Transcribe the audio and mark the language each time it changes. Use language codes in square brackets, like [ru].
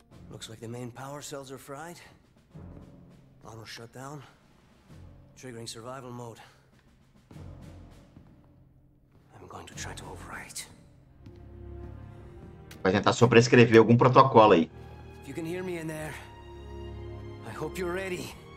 [en] Looks like the main power cells are fried. Auto shut down. Triggering survival mode. I'm going to try to override. [pt] Vai tentar sobrescrever algum protocolo aí. [en] If you can hear me in there, I hope you're ready.